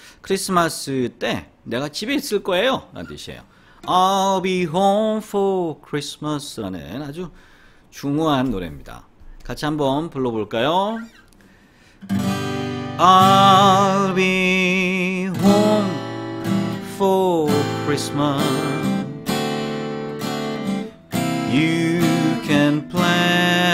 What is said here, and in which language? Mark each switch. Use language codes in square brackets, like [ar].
[ko] 크리스마스 때 내가 집에 있을 거예요. 라는 뜻이에요. [en] I'll be home for Christmas. [ko] 라는 아주 중후한 노래입니다. 같이 한번 불러볼까요? [en] I'll be home for Christmas. You can plan.